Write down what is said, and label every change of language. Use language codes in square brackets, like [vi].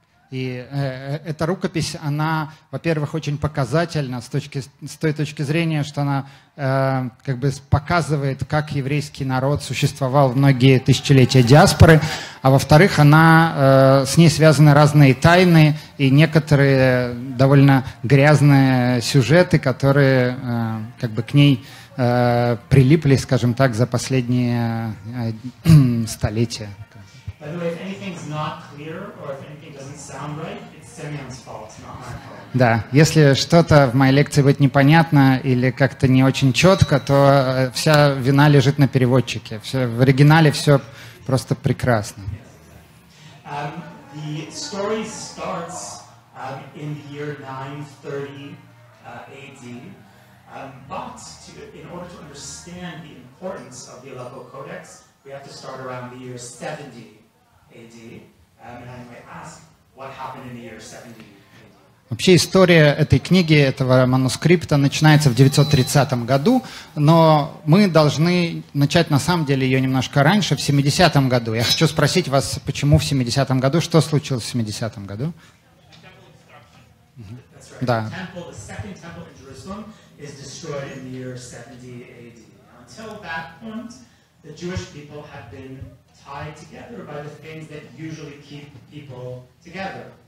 [ru] И эта рукопись, она, во-первых, очень показательна с той точки зрения, что она как бы показывает, как еврейский народ существовал в многие тысячелетия диаспоры, а во-вторых, она с ней связаны разные тайны и некоторые довольно грязные сюжеты, которые как бы к ней прилипли, скажем так, за последние столетия. [en] By the way, if anything's not clear or if anything doesn't sound right, it's Simeon's fault, not my fault. [ru] Да, если что-то в моей лекции будет непонятно или как-то не очень четко, то вся вина лежит на переводчике. Все, в оригинале все просто прекрасно. [en] The story starts in the year 930 AD. But in order to understand the importance of the Aleppo Codex, we have to start around the year 70 AD. And I might ask, what happened in the year 70 AD? [ru] Вообще история этой книги, этого манускрипта начинается в 930 году, но мы должны начать на самом деле ее немножко раньше, в 70-м году. Я хочу спросить вас, почему в 70-м году, что случилось в 70-м году? Да. [en] The second temple in Jerusalem is destroyed in the year 70 AD. Until that point, the Jewish people have been tied together by the things that usually keep people together.